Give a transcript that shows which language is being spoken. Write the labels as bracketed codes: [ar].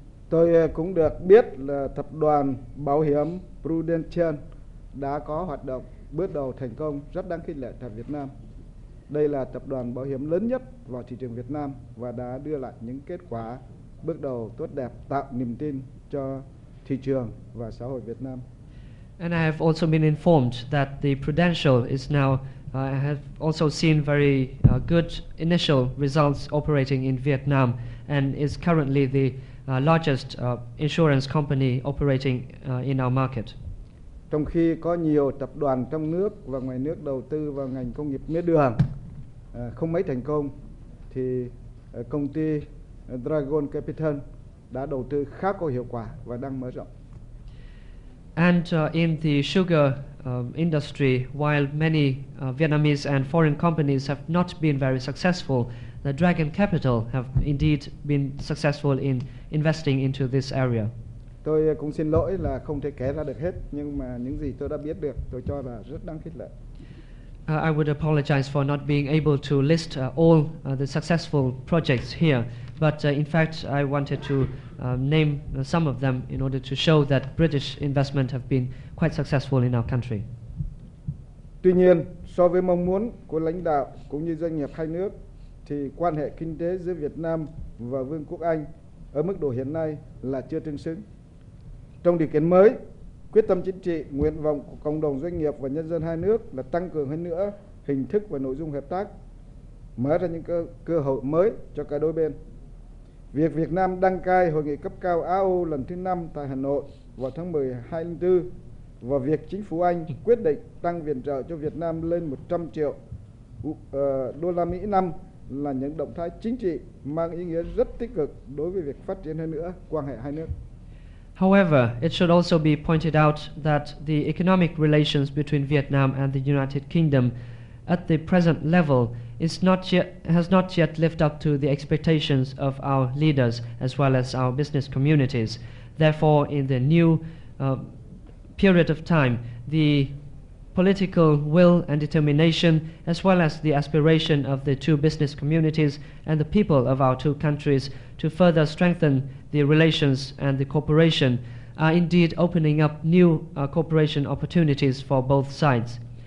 [vi] Tôi cũng được biết là tập đoàn bảo hiểm Prudential đã có hoạt động bước đầu thành công rất đáng khích lệ tại Việt Nam. Đây là tập đoàn bảo hiểm lớn nhất vào thị trường Việt Nam và đã đưa lại những kết quả bước đầu tốt đẹp tạo niềm tin cho thị trường và xã hội Việt Nam. [en] And I have also been informed that the Prudential is now, I have also seen very good initial results operating in Vietnam and is currently the largest insurance company operating in our market. [vi] Trong khi có nhiều tập đoàn trong nước và ngoài nước đầu tư vào ngành công nghiệp mía đường không mấy thành công, thì công ty Dragon Capital đã đầu tư khá có hiệu quả và đang mở rộng. [en] And in the sugar industry, while many Vietnamese and foreign companies have not been very successful, the Dragon Capital have indeed been successful in investing into this area. [vi] Tôi cũng xin lỗi là không thể kể ra được hết, nhưng mà những gì tôi đã biết được tôi cho là rất đáng khích lệ. [en] I would apologize for not being able to list all the successful projects here, but in fact I wanted to name some of them in order to show that British investment have been quite successful in our country. [vi] Tuy nhiên, so với mong muốn của lãnh đạo cũng như doanh nghiệp hai nước, thì quan hệ kinh tế giữa Việt Nam và Vương quốc Anh ở mức độ hiện nay là chưa tương xứng. Trong điều kiện mới, quyết tâm chính trị, nguyện vọng của cộng đồng doanh nghiệp và nhân dân hai nước là tăng cường hơn nữa hình thức và nội dung hợp tác, mở ra những cơ hội mới cho cả đôi bên. Việc Việt Nam đăng cai hội nghị cấp cao AU lần thứ 5 tại Hà Nội vào tháng 10/2024 và việc chính phủ Anh quyết định tăng viện trợ cho Việt Nam lên 100 triệu đô la Mỹ năm là những động thái chính trị mang ý nghĩa rất tích cực đối với việc phát triển hơn nữa quan hệ hai nước. [en] However, it should also be pointed out that the economic relations between Vietnam and the United Kingdom at the present level is not yet, has not yet lived up to the expectations of our leaders as well as our business communities. Therefore, in the new period of time, the political will and determination as well as the aspiration of the two business communities and the people of our two countries to further strengthen the relations and the cooperation are indeed opening up new cooperation opportunities for both sides.